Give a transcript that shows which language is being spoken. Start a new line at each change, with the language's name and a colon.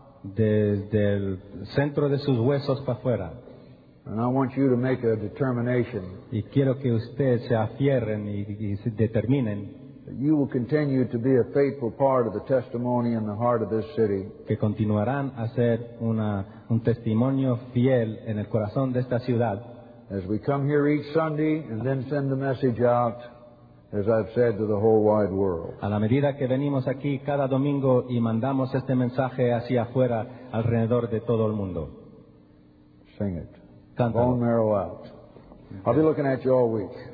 Spanish: Desde el centro de sus huesos para afuera.
English: And I want you to make a determination.
Spanish: Y quiero que ustedes se afierren y se determinen.
English: That you will continue to be a faithful part of the testimony in the heart of this city.
Spanish: Que continuarán a ser un testimonio fiel en el corazón de esta ciudad.
English: As we come here each Sunday and then send the message out. As I've said to the whole wide world.
Spanish: A la medida que venimos aquí cada domingo y mandamos este mensaje hacia afuera alrededor de todo el mundo.
English: Sing it.
Spanish: Cántalo.
English: Bone marrow out. I'll be looking at you all week.